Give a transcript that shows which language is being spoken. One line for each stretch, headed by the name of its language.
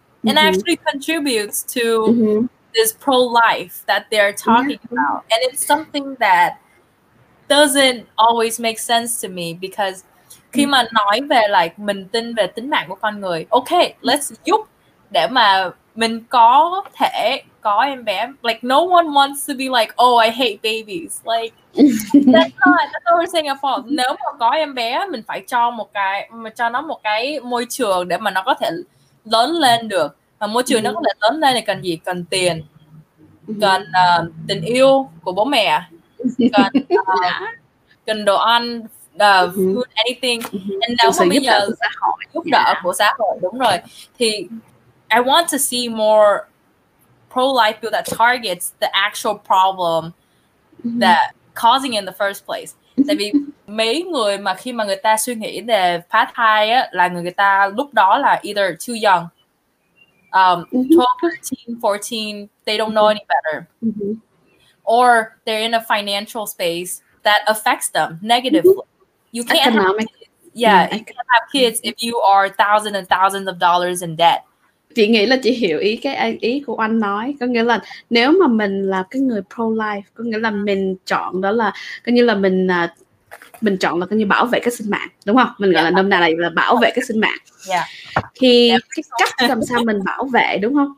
English: And actually contributes to this pro-life that they're talking about. And it's something that doesn't always make sense to me, because
Vietnamese: khi mà nói về like mình tin về tính mạng của con người, okay, let's giúp để mà mình có thể có em bé.
English: Like, no one wants to be like, oh, I hate babies. Like, that's not what we're saying at all.
Vietnamese: Nếu mà có em bé, mình phải cho nó một cái môi trường để mà nó có thể lớn lên được, mà môi trường nó có thể lớn lên thì cần gì? Cần tiền, cần tình yêu của bố mẹ, cần cần đồ ăn, food, anything.
English: And now
Vietnamese: bây giờ xã hội giúp đỡ của xã hội, đúng rồi.
English: Thì I want to see more pro-life bill that targets the actual problem that causing in the first place.
Vietnamese: Tại vì mấy người mà khi mà người ta suy nghĩ về phá thai á, là người ta lúc đó là
English: either too young,
Vietnamese: 12, 13, 14,
English: they don't know any better. Or they're in a financial space that affects them negatively. You can't economic. You can't have kids if you are thousands and thousands of dollars in debt.
Vietnamese: chị nghĩ là chị hiểu ý cái ý của anh nói, có nghĩa là nếu mà mình là cái người pro life, có nghĩa là mình chọn đó là coi như là mình chọn là coi như bảo vệ cái sinh mạng, đúng không? Mình gọi là nôm na là bảo vệ cái sinh mạng. Thì cái cách làm sao mình bảo vệ, đúng không?